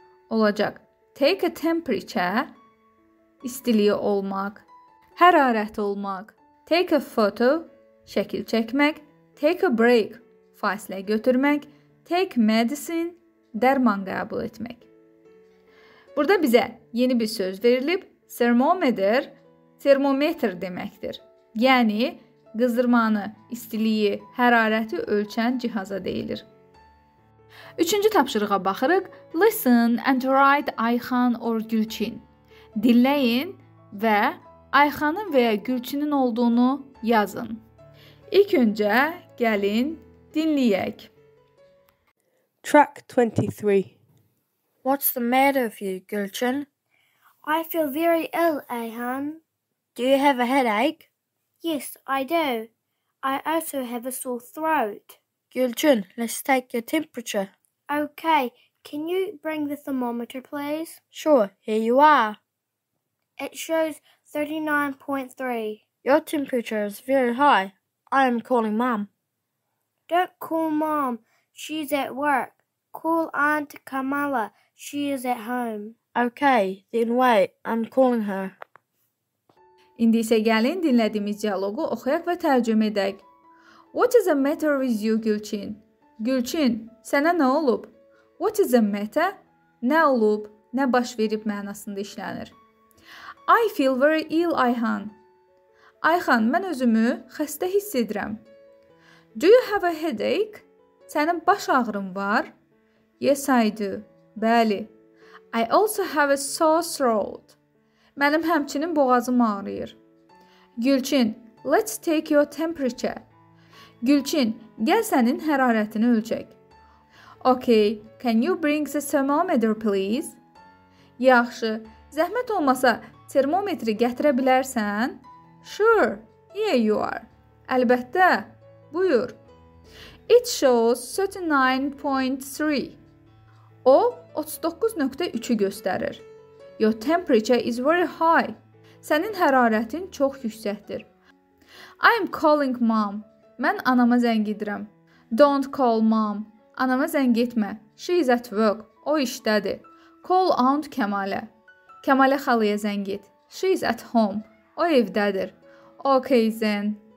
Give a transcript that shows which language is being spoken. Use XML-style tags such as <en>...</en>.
<az>Olacaq,</az> <en>take a temperature,</en> <az>istiliyi olmaq, hərarət olmaq.</az> <en>Take a photo,</en> <az>şəkil çəkmək.</az> <en>Take a break,</en> <az>fasilə götürmək.</az> <en>Take medicine,</en> <az>dərman qəbul etmək. Burada bizə yeni bir söz verilib. Thermometer, termometr deməkdir. Yəni, qızdırmanı, istiliyi, hərarəti ölçən cihaza deyilir. Üçüncü tapşırığa baxırıq.</az> <en>Listen and write Ayxan or Gülçin.</en> <az>Dinləyin və Ayxanın və ya Gülçinin olduğunu yazın. İlk öncə gəlin dinləyək.</az> <en>Track 23. What's the matter with you, Gülçin? I feel very ill, Ayhan. Do you have a headache? Yes, I do. I also have a sore throat. Gülçin, let's take your temperature. Okay, can you bring the thermometer, please? Sure, here you are. It shows 39.3. Your temperature is very high. I am calling Mom. Don't call Mom. She's at work. Call Aunt Kamala. She is at home. Okay, then wait. I'm calling her.</en> <az>İndi isə gəlin dinlədiyimiz dialoqu oxuyaq və tərcümə edək.</az> <en>What is the matter with you, Gülçin? Gülçin,</en> <az>sənə nə olub?</az> <en>What is the matter?</en> <az>Nə olub, nə baş verib mənasında işlənir.</az> <en>I feel very ill, Ayhan.</en> <az>Ayhan, mən özümü xəstə hiss edirəm.</az> <en>Do you have a headache?</en> <az>Sənin baş ağrın var?</az> <en>Yes, I do.</en> <az>Bəli.</az> <en>I also have a sore throat.</en> <az>Mənim həmçinin boğazım ağrıyır. Gülçin,</az> <en>let's take your temperature.</en> <az>Gülçin, gəl sənin hərarətini ölçək.</az> <en>Okay, can you bring the thermometer, please?</en> <az>Yaxşı, zəhmət olmasa termometri gətirə bilərsən?</az> <en>Sure, here you are.</en> <az>Əlbəttə, buyur.</az> <en>It shows 39.3.</en> <az>O, 39.3-ü göstərir.</az> <en>Your temperature is very high.</en> <az>Sənin hərarətin çox yüksəkdir.</az> <en>I am calling mom.</en> <az>Mən anama zəng edirəm.</az> <en>Don't call mom.</en> <az>Anama zəng etmə.</az> <en>She is at work.</en> <az>O işdədir.</az> <en>Call aunt Kəmalə.</en> <az>Kəmalə xalaya zəng et.</az> <en>She is at home.</en> <az>O evdədir.</az> <en>Okay then.</en>